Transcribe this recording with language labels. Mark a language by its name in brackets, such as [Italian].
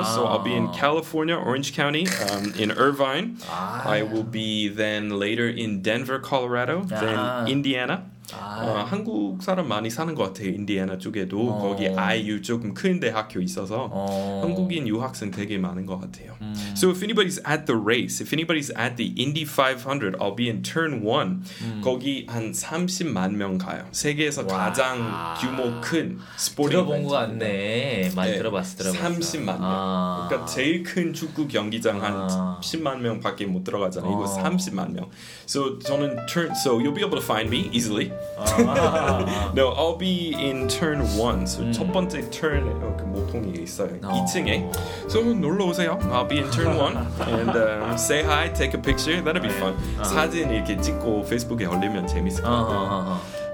[English] So I'll be in California, Orange County, in Irvine. [Korean] 아. [English] I will be then later in Denver, Colorado, then Indiana. [Korean] 아. 한국 사람 많이 사는 것 같아요. 인디애나 쪽에도 거기 IU 조금 큰 대학교 있어서 한국인 유학생 되게 많은 것 같아요. [English] So if anybody's at the race, if anybody's at the Indy 500, I'll be in turn 1. [Korean] 거기 한 30만 명 가요. 세계에서 와. 가장 규모 큰 스포츠 들어본 것 같네. 많이 네. 들어봤어, 들어봤어. 30만 명. 그러니까 제일 큰 축구 경기장 한 10만 명밖에 못 들어가잖아요. 이거 30만 명. [English] So [Korean] 저는 [English] turn, so you'll be able to find me easily. No, I'll be in turn 1. So [Korean] 첫 번째 turn 그 모퉁이 있어요. 2층에. [English] So [Korean] 놀러 오세요. [English] I'll be in turn 1 and say hi, take a picture. That'll be fun. [Korean] 사진 이렇게 찍고 페이스북에 올리면 재밌을 것 같아요.